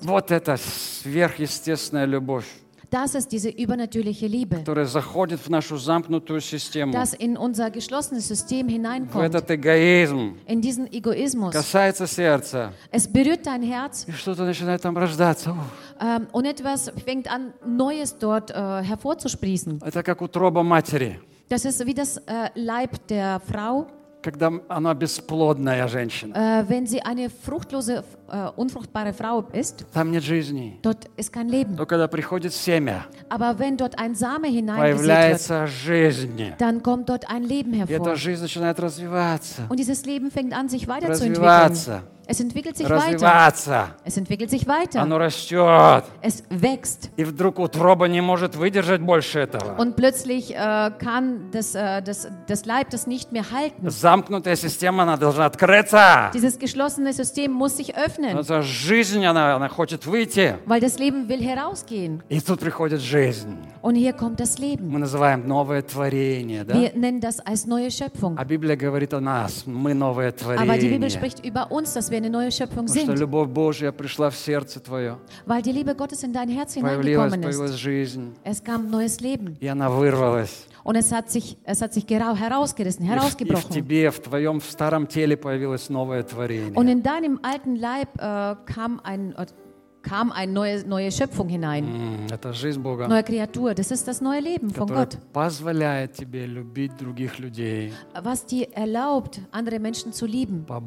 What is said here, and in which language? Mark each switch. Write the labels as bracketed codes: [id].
[ru] Вот это сверхъестественная любовь. [de] Das ist diese übernatürliche Liebe, [ru] которая заходит в нашу замкнутую систему, [de] das in unser geschlossenes System hineinkommt, [ru] в этот эгоизм, [de] in diesen Egoismus, [ru] касается сердца, [de] es berührt dein Herz, [ru] и что-то начинает там рождаться. [de] Und etwas fängt an, Neues dort hervorzusprießen. [ru] Это как утроба матери. [de] Das ist wie das Leib der Frau, [ru] когда она бесплодная женщина. [de] Wenn sie eine fruchtlose, unfruchtbare Frau ist, [ru] там нет жизни. [de] Dort ist kein Leben. [ru] Но когда приходит семя, [de] aber wenn dort ein Same hineingesät wird, [ru] появляется жизнь. [de] Dann kommt dort ein Leben hervor. [ru] И эта жизнь начинает развиваться. [de] Und dieses Leben fängt an, sich weiterzuentwickeln. Es entwickelt sich [ru] развиваться. [de] Weiter. Es entwickelt sich weiter. [ru] Оно растет. [de] Es wächst. [ru] И вдруг утроба не может выдержать больше этого. [de] Und plötzlich kann das Leib das nicht mehr halten. [ru] Замкнутая система, она должна открыться. [de] Dieses geschlossene System muss sich öffnen. Also [ru] жизнь, она хочет выйти. [de] Weil das Leben will herausgehen. [ru] И тут приходит жизнь. [de] Und hier kommt das Leben. [ru] Мы называем новое творение, да? [de] Wir nennen das als neue Schöpfung. [ru] А Библия говорит о нас, мы новое творение. [de] Aber die Bibel spricht über uns, dass wir eine neue Schöpfung sind. [ru] Что любовь Божия пришла в сердце твое. [de] Weil die Liebe Gottes in dein Herz hineingekommen ist. [ru] Появилась жизнь. [de] Es kam neues Leben. [ru] И она вырвалась. [de] Und es hat sich herausgerissen, herausgebrochen. [ru] И в тебе, в твоем старом теле появилось новое творение. [de] Und in deinem alten Leib kam ein kam eine neue Schöpfung hinein. Neue Kreatur, das ist das neue Leben von Gott. Was dir erlaubt, andere Menschen zu lieben.